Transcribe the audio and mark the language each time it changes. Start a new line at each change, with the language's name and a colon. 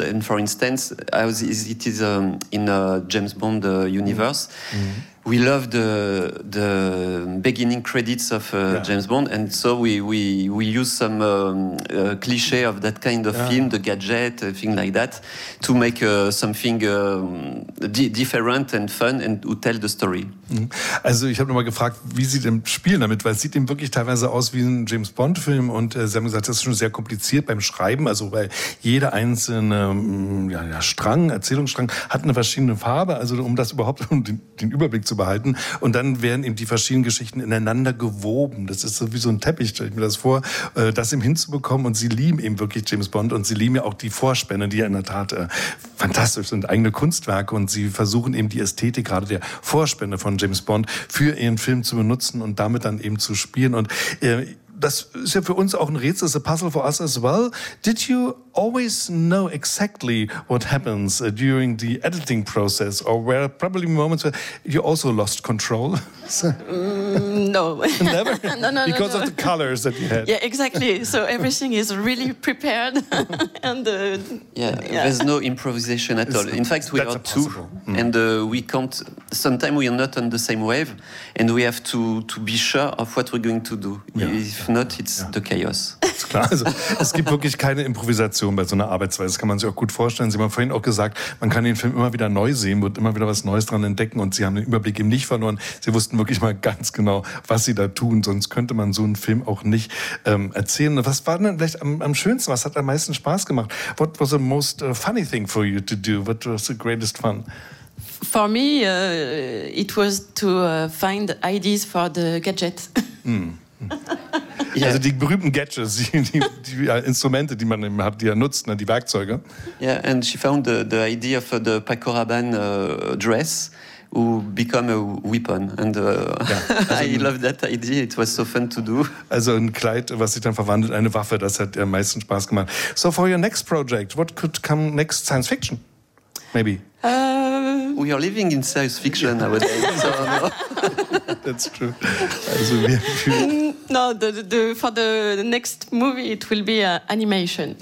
English: And for instance, as it is in a James Bond universe, we love the beginning credits of James Bond, and so we use some cliché of that kind of film, the gadget, thing like that, to make something different and fun and to tell the story.
German: Also ich habe nochmal gefragt, wie sieht im Spiel damit, weil es sieht eben wirklich teilweise aus wie ein James Bond Film, und sie haben gesagt, das ist schon sehr kompliziert beim Schreiben, also weil jeder einzelne Erzählungsstrang hat eine verschiedene Farbe, also um das überhaupt, um den Überblick zu behalten, und dann werden eben die verschiedenen Geschichten ineinander gewoben. Das ist so wie so ein Teppich, stelle ich mir das vor, das eben hinzubekommen. Und sie lieben eben wirklich James Bond, und sie lieben ja auch die Vorspänne, die ja in der Tat fantastisch sind, eigene Kunstwerke, und sie versuchen eben die Ästhetik gerade der Vorspänne von James Bond für ihren Film zu benutzen und damit dann eben zu spielen. Und das ist ja für uns auch ein Rätsel,
English: it's a puzzle for us as well. Did you always know exactly what happens during the editing process, or were probably moments where you also lost control? No. Never? No. Because of the colors that you had. Yeah, exactly. So everything is really prepared. And There's no improvisation at all. In fact, we are two. Mm. And we can't, sometimes we are not on the same wave, and we have to be sure of what we're going to do.
German: Ist klar. Also, es gibt wirklich keine Improvisation bei so einer Arbeitsweise. Das kann man sich auch gut vorstellen. Sie haben vorhin auch gesagt, man kann den Film immer wieder neu sehen, wird immer wieder was Neues dran entdecken, und sie haben den Überblick eben nicht verloren. Sie wussten wirklich mal ganz genau, was sie da tun. Sonst könnte man so einen Film auch nicht erzählen. Was war denn vielleicht am schönsten? Was hat am meisten Spaß gemacht?
English: What was the most funny thing for you to do? What was the greatest fun? For me, it was to find ideas for the gadgets.
German: Also die berühmten Gadgets, die Instrumente, die man hat, die er nutzt, ne, die Werkzeuge.
English: Yeah, and she found the idea of the Paco Rabanne dress, who become a weapon. And I love that idea. It was so fun to do.
German: Also ein Kleid, was sich dann verwandelt, eine Waffe, das hat am meisten Spaß gemacht.
English: So for your next project, what could come next? Science fiction, maybe? We are living in science fiction nowadays. That's true.
German: Also wir...
English: No, for the next movie it will be animation.